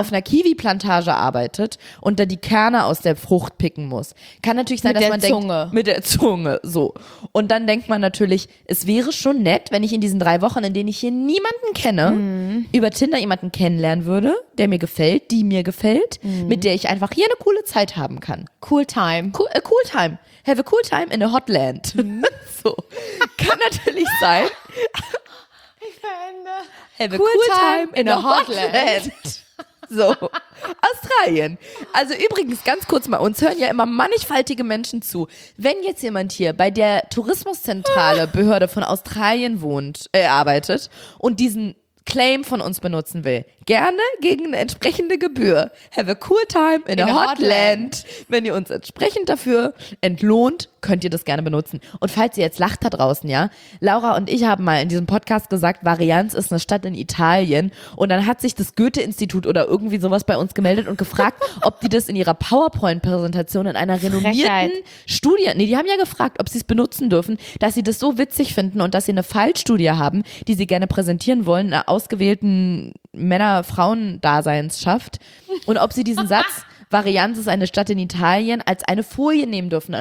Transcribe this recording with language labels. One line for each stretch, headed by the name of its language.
German: auf einer Kiwi-Plantage arbeitet und da die Kerne aus der Frucht picken muss, kann natürlich sein, mit der man Zunge. Denkt, mit der Zunge, so. Und dann denkt man natürlich, es wäre schon nett, wenn ich in diesen 3 Wochen, in denen ich hier niemanden kenne, über Tinder jemanden kennenlernen würde, der mir gefällt, die mir gefällt, mit der ich einfach hier eine coole Zeit haben kann.
English: Cool time. Cool time. Have a cool time in a hot land. So.
German: Kann natürlich sein.
English: Have a cool time in a hotland.
German: So, Australien. Also übrigens, ganz kurz mal, uns hören ja immer mannigfaltige Menschen zu. Wenn jetzt jemand hier bei der Tourismuszentrale Behörde von Australien arbeitet und diesen Claim von uns benutzen will, gerne gegen eine entsprechende Gebühr.
English: Have a cool time in a hotland.
German: Wenn ihr uns entsprechend dafür entlohnt, könnt ihr das gerne benutzen. Und falls ihr jetzt lacht da draußen, ja, Laura und ich haben mal in diesem Podcast gesagt, Varianz ist eine Stadt in Italien und dann hat sich das Goethe-Institut oder irgendwie sowas bei uns gemeldet und gefragt, ob die das in ihrer PowerPoint-Präsentation in einer renommierten Studie, nee, die haben ja gefragt, ob sie es benutzen dürfen, dass sie das so witzig finden und dass sie eine Fallstudie haben, die sie gerne präsentieren wollen, einer ausgewählten Männer-Frauen-Daseinsschaft und ob sie diesen Satz Varianz ist eine Stadt in Italien, als eine Folie nehmen dürfen.